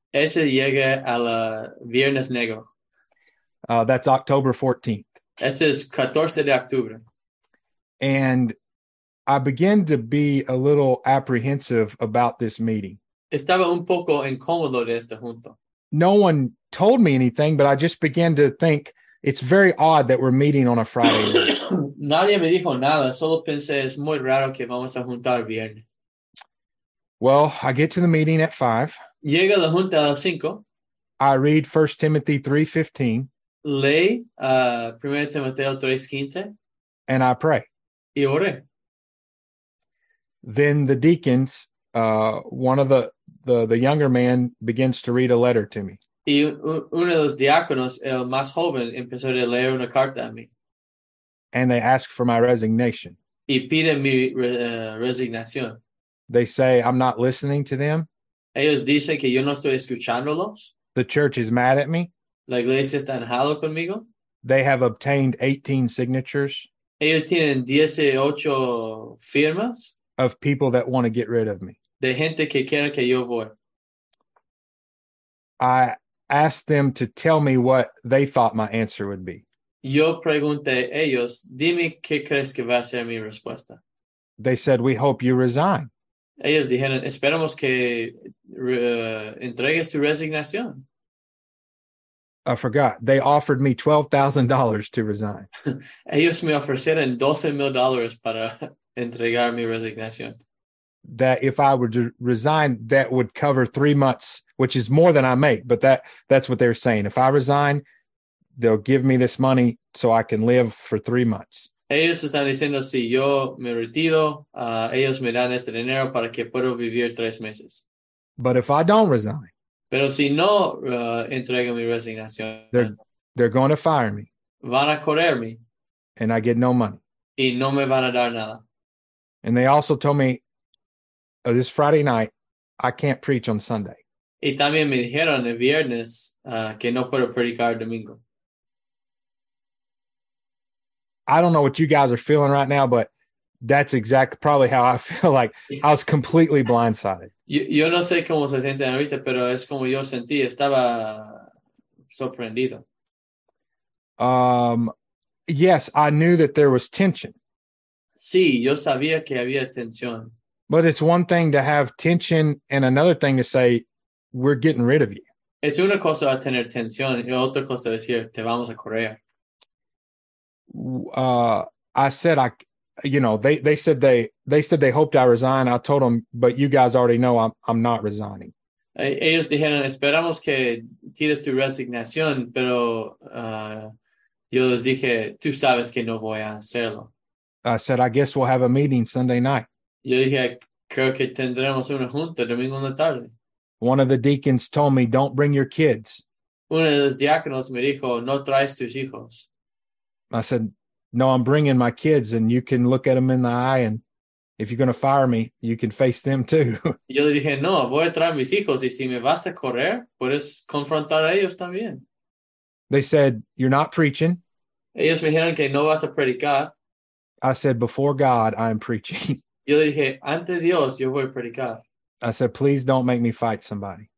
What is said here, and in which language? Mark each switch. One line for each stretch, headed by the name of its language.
Spanish: Ese llega a la Viernes Negro.
English: That's October 14th.
Spanish: Ese es 14 de octubre.
English: And I begin to be a little apprehensive about this meeting.
Spanish: Estaba un poco incómodo de esta junta.
English: no one told me anything, but I just began to think it's very odd that we're meeting on a Friday.
Spanish: Nadie me dijo nada. Solo pensé, es muy raro que vamos a juntar viernes.
English: Well, I get to the meeting at 5.
Spanish: Llega la junta a 5.
English: I read 1 Timothy 3:15.
Spanish: Leí 1 Timoteo 3:15.
English: And I pray.
Spanish: Y oré.
English: Then the deacons, one of the younger man begins to read a letter to me.
Spanish: Y uno de los diáconos, el más joven, empezó a leer una carta a mí.
English: And they ask for my resignation.
Spanish: Y piden mi resignación.
English: They say I'm not listening to them.
Spanish: Ellos dicen que yo no estoy escuchándolos.
English: The church is mad at me.
Spanish: La iglesia está enojada conmigo.
English: They have obtained 18 signatures.
Spanish: Ellos tienen 18 firmas.
English: Of people that want to get rid of me.
Spanish: De gente que quiere que yo voy.
English: I asked them to tell me what they thought my answer would be.
Spanish: Yo pregunté a ellos, dime qué crees que va a ser mi respuesta.
English: They said, we hope you resign.
Spanish: Ellos dijeron, esperamos que entregues tu resignación.
English: I forgot. They offered me $12,000 to resign.
Spanish: Ellos me ofrecieron $12,000 para entregar mi resignación.
English: That if I were to resign, that would cover 3 months, which is more than I make. But that's what they're saying. If I resign, they'll give me this money so I can live for 3 months.
Spanish: Ellos están diciendo, si yo me retiro, ellos me dan este dinero para que pueda vivir 3 meses.
English: But if I don't resign,
Spanish: pero si no entrego mi resignación,
English: they're going to fire me.
Spanish: Van a correrme.
English: And I get no money.
Spanish: Y no me van a dar nada.
English: And they also told me, this Friday night, I can't preach on Sunday.
Spanish: Y también me dijeron el viernes que no puedo predicar el domingo.
English: I don't know what you guys are feeling right now, but that's exactly probably how I feel. Like I was completely blindsided.
Spanish: Yo no sé cómo se sienten ahorita, pero es como yo sentí. Estaba sorprendido.
English: Yes, I knew that there was tension.
Spanish: Sí, yo sabía que había tensión.
English: But it's one thing to have tension and another thing to say, we're getting rid of you.
Spanish: Es una cosa tener tensión y otra cosa decir, te vamos a correr.
English: I said, they said they hoped I resign. I told them, but you guys already know I'm not resigning.
Spanish: Ellos dijeron, esperamos que tires tu resignación, pero yo les dije, tú sabes que no voy a hacerlo.
English: I said, I guess we'll have a meeting Sunday night.
Spanish: Yo dije, creo que tendremos una junta domingo en la tarde.
English: One of the deacons told me, don't bring your kids.
Spanish: Uno de los diáconos me dijo, no traes tus hijos.
English: I said, no, I'm bringing my kids and you can look at them in the eye. And if you're going to fire me, you can face them too.
Spanish: Yo le dije, no, voy a traer mis hijos y si me vas a correr, puedes confrontar a ellos también.
English: They said, you're not preaching.
Spanish: Ellos me dijeron que no vas a predicar.
English: I said, before God, I am preaching.
Spanish: Yo le dije, ante Dios, yo voy a predicar.
English: I said, please don't make me fight somebody.